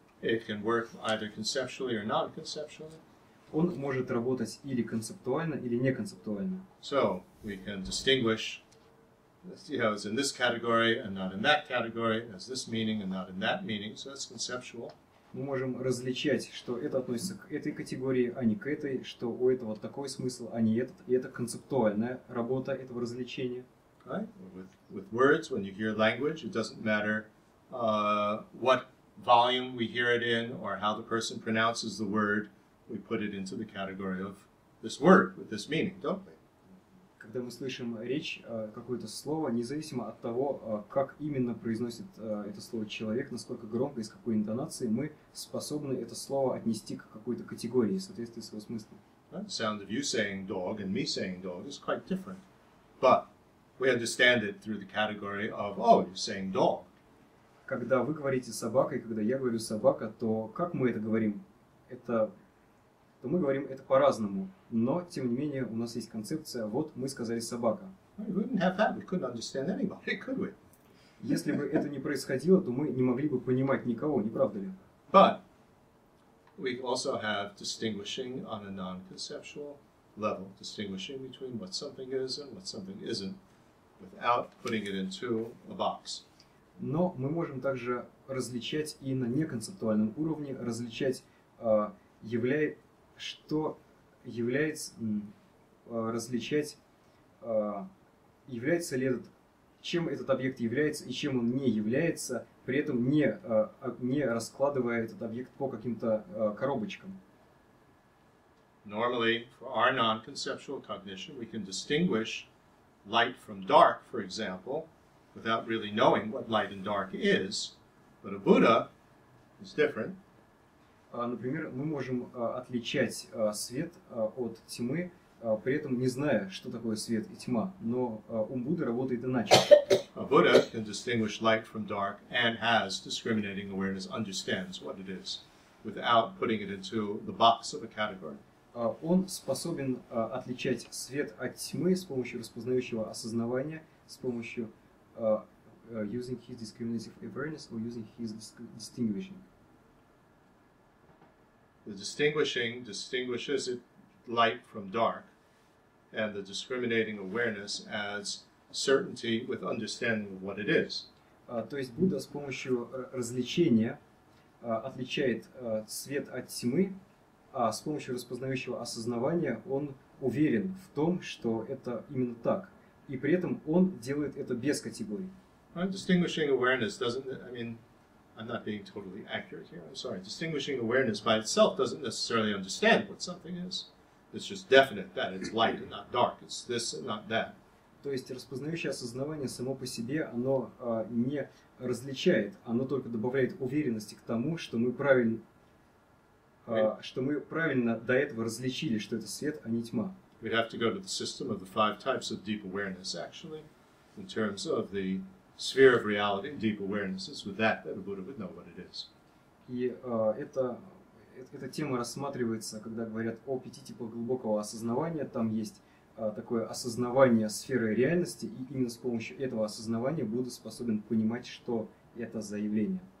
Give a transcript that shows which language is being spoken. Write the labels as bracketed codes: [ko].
[en] It can work either conceptually or not conceptually. [ru] Он может работать или концептуально, или не концептуально. [en] So, we can distinguish, you know, as in this category and not in that category, as this meaning and not in that meaning, so that's conceptual. [ru] Мы можем различать, что это относится к этой категории, а не к этой, что у этого такой смысл, а не этот, и это концептуальная работа этого развлечения. [en] Right? With words, when you hear language, it doesn't matter what volume we hear it in or how the person pronounces the word, we put it into the category of this word with this meaning, don't we? [ru] Когда мы слышим речь, какое-то слово, независимо от того, как именно произносит это слово человек, насколько громко и с какой интонацией, мы способны это слово отнести к какой-то категории в соответствии с его смыслом. [en] The sound of you saying dog and me saying dog is quite different. But we understand it through the category of, oh, you're saying dog. [ru] Когда вы говорите собака, и когда я говорю собака, то как мы это говорим? То мы говорим это по-разному, но тем не менее у нас есть концепция. Вот мы сказали собака. [en] We wouldn't have that. We couldn't understand anybody, could we? [ru] Если бы это не происходило, то мы не могли бы понимать никого, не правда ли? [en] But we also have distinguishing on a non-conceptual level, distinguishing between what something is and what something isn't, without putting it into a box. [ru] Но мы можем также различать и на неконцептуальном уровне различать что является различать является ли этот, чем этот объект является и чем он не является, при этом не раскладывая этот объект по каким-то коробочкам. [en] Normally, for our non-conceptual cognition, we can distinguish light from dark, for example, without really knowing what light and dark is. But a Buddha is different. [ru] Например, мы можем отличать свет от тьмы, при этом не зная, что такое свет и тьма. Но ум Будды работает иначе. [en] A Buddha can distinguish light from dark and has discriminating awareness, understands what it is, without putting it into the box of a category. [ru] Он способен отличать свет от тьмы с помощью распознающего осознавания, с помощью [en] using his discriminative awareness or using his distinguishing. The distinguishing distinguishes it light from dark, and the discriminating awareness adds certainty with understanding of what it is. [ru] То есть Будда с помощью различения отличает свет от тьмы, а с помощью распознающего осознавания он уверен в том, что это именно так. И при этом он делает это без категорий. [en] Distinguishing awareness doesn't, I mean, I'm not being totally accurate here, I'm sorry. Distinguishing awareness by itself doesn't necessarily understand what something is. It's just definite that it's light and not dark, it's this and not that. [ru] То есть распознающее осознавание само по себе, оно не различает, оно только добавляет уверенности к тому, что мы правильно... что мы правильно до этого различили, что это свет, а не тьма. [en] We'd have to go to the system of the five types of deep awareness, actually, in terms of the sphere of reality, deep awareness. It's with that that a Buddha would know what it is. [ru] И эта тема рассматривается, когда говорят о пяти типах глубокого осознавания. Там есть такое осознавание сферы реальности, и именно с помощью этого осознавания Будда способен понимать, что это за явление.